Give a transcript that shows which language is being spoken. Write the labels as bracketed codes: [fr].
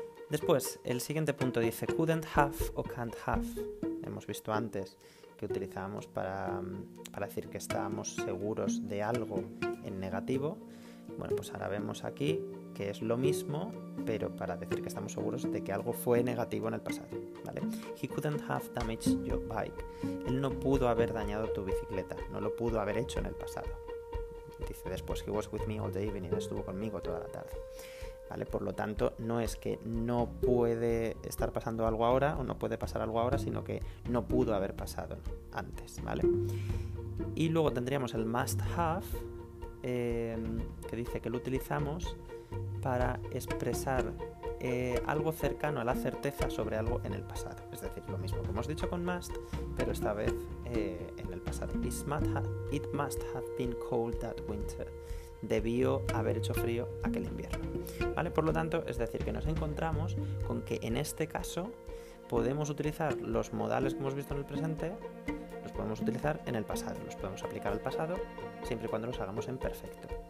[es] Después, el siguiente punto dice couldn't have o can't have. Hemos visto antes que utilizábamos para decir que estábamos seguros de algo en negativo. Bueno, pues ahora vemos aquí que es lo mismo, pero para decir que estamos seguros de que algo fue negativo en el pasado, ¿vale? [en] He couldn't have damaged your bike. [es] Él no pudo haber dañado tu bicicleta, no lo pudo haber hecho en el pasado. Dice después, [en] he was with me all day evening, [es] estuvo conmigo toda la tarde. ¿Vale? Por lo tanto, no es que no puede estar pasando algo ahora o no puede pasar algo ahora, sino que no pudo haber pasado antes, ¿vale? Y luego tendríamos el must have, que dice que lo utilizamos para expresar algo cercano a la certeza sobre algo en el pasado. Es decir, lo mismo que hemos dicho con must, pero esta vez en el pasado. [en] It must have been cold that winter. [es] Debió haber hecho frío aquel invierno. ¿Vale? Por lo tanto, es decir, que nos encontramos con que en este caso podemos utilizar los modales que hemos visto en el presente, los podemos utilizar en el pasado, los podemos aplicar al pasado siempre y cuando los hagamos en perfecto.